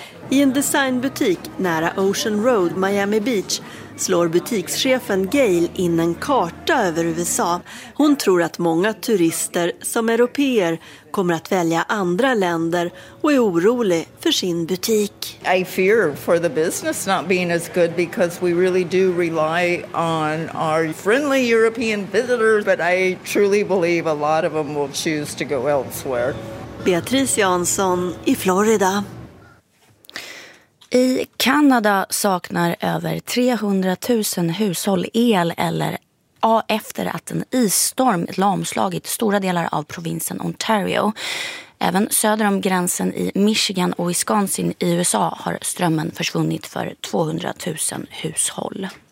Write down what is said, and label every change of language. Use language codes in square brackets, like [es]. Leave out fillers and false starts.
[sv] I en designbutik nära Ocean Road, Miami Beach, slår butikschefen Gail in en karta över USA. Hon tror att många turister som europeer kommer att välja andra länder och är orolig för sin butik. [en] I fear for the business not being as good because we really do rely on our friendly European visitors, but I truly believe a lot of them will choose to go elsewhere. [sv] Beatrice Jansson i Florida. I Kanada saknar över 300 000 hushåll el eller efter att en isstorm lamslagit stora delar av provinsen Ontario. Även söder om gränsen i Michigan och Wisconsin i USA har strömmen försvunnit för 200 000 hushåll.